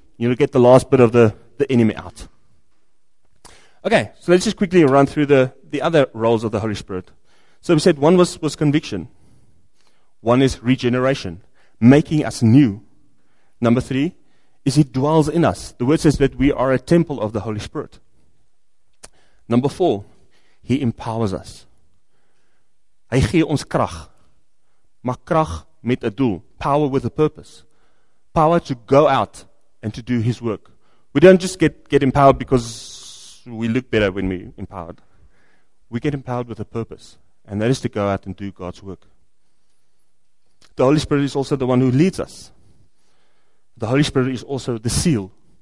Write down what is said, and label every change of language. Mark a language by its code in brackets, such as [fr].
[en] You'll get the last bit of the enemy out. Okay, so let's just quickly run through the other roles of the Holy Spirit. So we said one was conviction. One is regeneration, making us new. Number three is he dwells in us. The word says that we are a temple of the Holy Spirit. Number four, he empowers us. [af] Hy gee ons krag, maar krag met 'n doel, [en] power with a purpose. Power to go out and to do his work. We don't just get empowered because we look better when we're empowered. We get empowered with a purpose, and that is to go out and do God's work. The Holy Spirit is also the one who leads us. The Holy Spirit is also the seal.